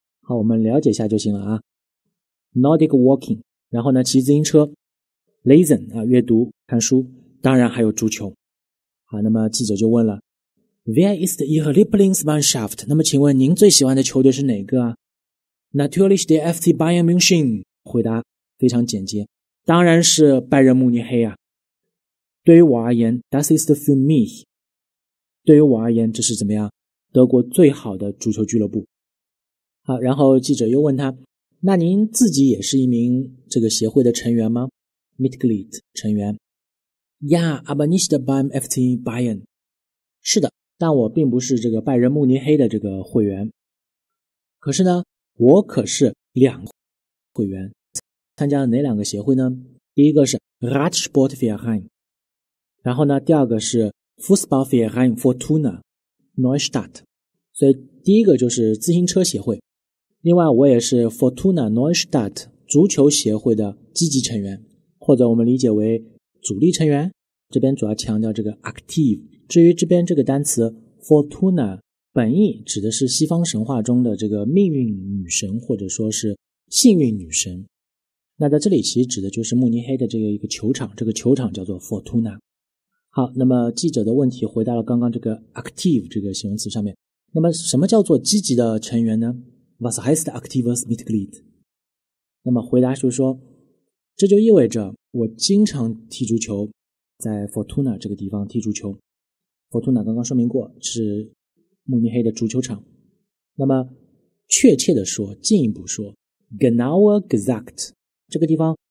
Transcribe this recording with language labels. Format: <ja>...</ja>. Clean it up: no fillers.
<zh>好，我们了解一下就行了啊。Nordic walking， 然后呢骑自行车 ，lesen 啊阅读看书，当然还有足球。好，那么记者就问了 ，</zh> <de>Wer ist Ihre Lieblingsmannschaft？</de> <zh>那么请问您最喜欢的球队是哪个啊 ？</zh> <de>Natürlich der FC Bayern München，</de> <zh>回答非常简洁，当然是拜仁慕尼黑啊。对于我而言 ，</zh> <de>das ist für mich。</de> <zh>对于我而言，这是怎么样？德国最好的足球俱乐部。好，然后记者又问他：“那您自己也是一名这个协会的成员吗 ？”Mitglied 成员。</zh> <de>Ja, aber nicht beim FC Bayern。</de> <zh>是的，但我并不是这个拜仁慕尼黑的这个会员。可是呢，我可是两个会员。参加了哪两个协会呢？第一个是 Radsportverein。然后呢，第二个是 Fußballverein Fortuna Neustadt， 所以第一个就是自行车协会，另外我也是 Fortuna Neustadt 足球协会的积极成员，或者我们理解为主力成员。这边主要强调这个 active。至于这边这个单词 Fortuna， 本意指的是西方神话中的这个命运女神或者说是幸运女神。那在这里其实指的就是慕尼黑的这个一个球场，这个球场叫做 Fortuna。好，那么记者的问题回答了刚刚这个 active 这个形容词上面。那么什么叫做积极的成员呢？</zh> <de>Was heißt aktives Mitglied？</de> <zh>那么回答就是说，这就意味着我经常踢足球，在 Fortuna 这个地方踢足球。 Fortuna 刚刚说明过是慕尼黑的足球场。那么确切的说，进一步说 ，</zh> <de>genauer gesagt</de> <zh>这个地方。</zh>